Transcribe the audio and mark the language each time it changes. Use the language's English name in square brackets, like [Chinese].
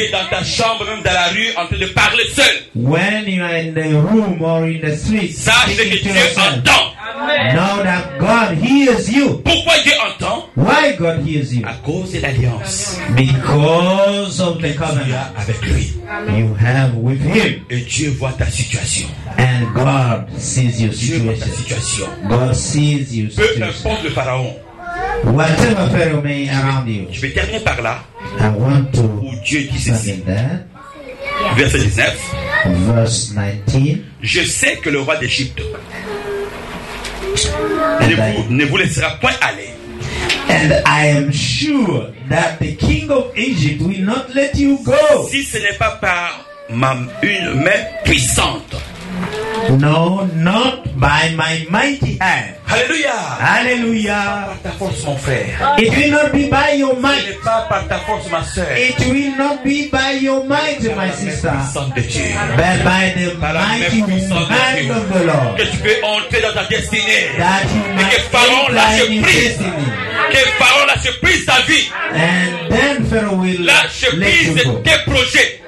[French] Quand tu es dans ta chambre, même dans la rue, en train de parler seul, [English] when you are in the room or in the street, [French] sache que Dieu entend. [English] Now that God hears you. [French] Pourquoi Dieu entend? [English] Why God hears you? [French] À cause de l'alliance. [English] Because of the covenant. [French] Tu as avec lui. [English] You have with him. [French] Et Dieu voit ta situation. [English] And God sees your situation. [French] Dieu voit ta situation. [English] God sees your situation. [French] Peu importe le pharaon. [English] Whatever Pharaoh may around you. [French] Je vais terminer par là. [English] I want to. [French] Où Dieu dit ceci. Verset 19. [English] Verse 19. [French] Je sais que le roi d'Égypte ne vous laissera point aller. [English] And I am sure that the king of Egypt will not let you go. [French] Si ce n'est pas par une main puissante. [English] No, not by my mighty hand. Hallelujah. Hallelujah. [French] Par ta force, mon frère. [English] It will not be by your might. [French] Ce n'est pas par ta force, ma soeur. [English] It will not be by your might, my sister. But by the mighty hand of the Lord. [French] Que tu peux entrer dans ta destinée. [English] That you [French] et que Pharaon lâche prise. Que Pharaon lâche prise ta vie. [English] And then Pharaoh will [French] lâche prise tes projets.